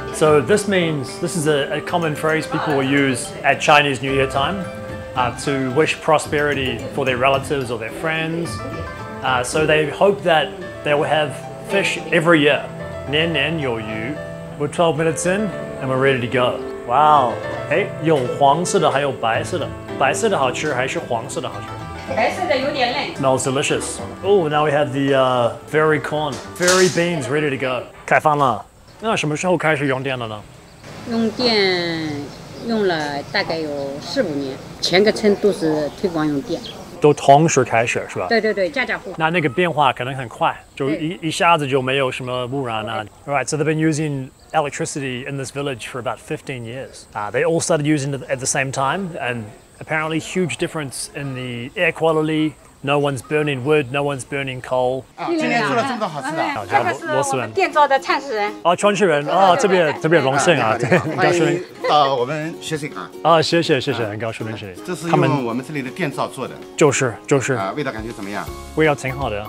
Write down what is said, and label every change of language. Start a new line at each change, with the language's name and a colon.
English: So this means, this is a common phrase people will use at Chinese New Year time to wish prosperity for their relatives or their friends. So they hope that they will have fish every year.
Chinese: Nian nian you yu.
English: We're 12 minutes in and we're ready to go. Wow. Hey,
Chinese: 有黄色的还有白色的。白色的好吃还是黄色的好吃？白色的有点嫩。
English: Smells delicious. Oh, now we have the fairy corn, fairy beans ready to go.
Chinese: 开饭了。那什么时候开始用电了呢？用电用了大概有四五年，前个村都是推广用电。都同时开始是吧？对对对，家家户户。那那个变化可能很快，就一下子就没有什么污染啊。
English: All right, so they've been using electricity in this village for about 15 years. They all started using it at the same time, and apparently huge difference in the air quality. No one's burning wood, no one's burning coal.
Chinese: 今天做了这么多好吃的。好，叫罗斯文。店招的创始人。创始人啊，特别特别荣幸啊，很高兴。我们学生啊。啊，谢谢谢谢，很高兴认识。这是用我们这里的店招做的。就是就是。味道感觉怎么样？味道挺好的。